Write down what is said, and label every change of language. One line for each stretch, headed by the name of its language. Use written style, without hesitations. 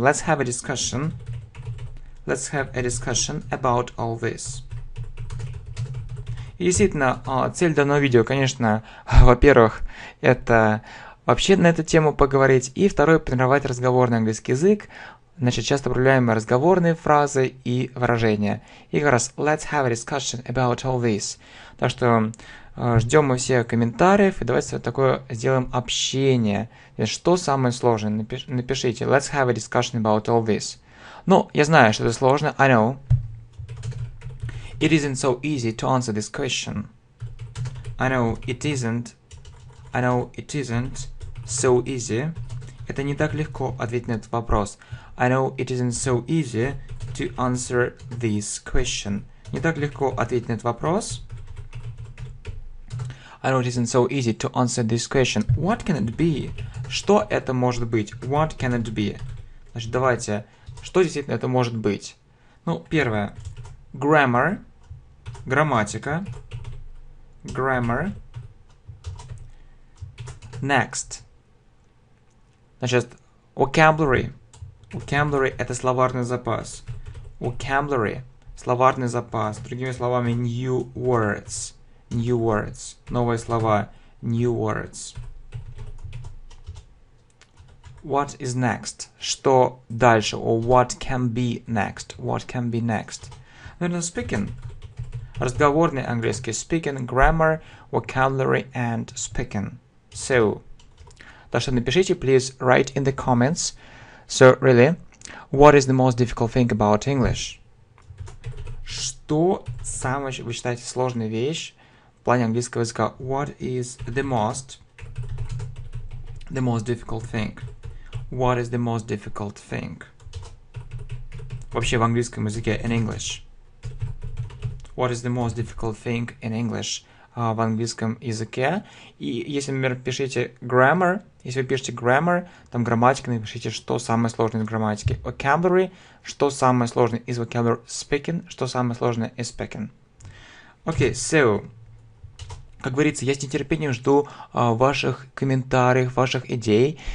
English: Let's have a discussion. Let's have a discussion about all this.
Russian: И действительно, цель данного видео, конечно, во-первых, это вообще на эту тему поговорить. И второе, потренировать разговорный английский язык. Значит, часто проявляемые разговорные фразы и выражения. И как раз,
English: let's have a discussion about all this.
Russian: Так что ждем мы всех комментариев, и давайте такое сделаем общение. Что самое сложное? Напишите,
English: let's have a discussion about all this.
Russian: Ну, я знаю, что это сложно,
English: I know. It isn't so easy to answer this question. I know it isn't so easy.
Russian: Это не так легко ответить на этот вопрос.
English: I know it isn't so easy to answer this question.
Russian: Не так легко ответить на этот вопрос.
English: I know it isn't so easy to answer this question. What can it be?
Russian: Что это может быть?
English: What can it be?
Russian: Значит, давайте. Что действительно это может быть? Ну, первое. Grammar. Грамматика. Grammar.
English: Next. Значит, vocabulary.
Russian: Vocabulary – это словарный запас. Vocabulary – словарный запас. Другими словами,
English: new words. New words.
Russian: Новые слова.
English: New words. What is next?
Russian: Что дальше?
English: Or what can be next? What can be next? Наверное, speaking.
Russian: Разговорный английский.
English: Speaking, grammar, vocabulary and speaking. So,
Russian: так что напишите,
English: please write in the comments. So, really, what is the most difficult thing about English?
Russian: Что самое, вы считаете, сложная вещь в плане английского языка?
English: What is the most difficult thing? What is the most difficult thing?
Russian: Вообще в английском языке,
English: in English. What is the most difficult thing in English?
Russian: В английском языке. И если, например, пишите grammar, если вы пишете grammar, там грамматика, напишите, что самое сложное из грамматики. Vocabulary, что самое сложное из vocabulary. Speaking, что самое сложное из speaking. Окей, so, как говорится, я с нетерпением жду ваших комментариев, ваших идей.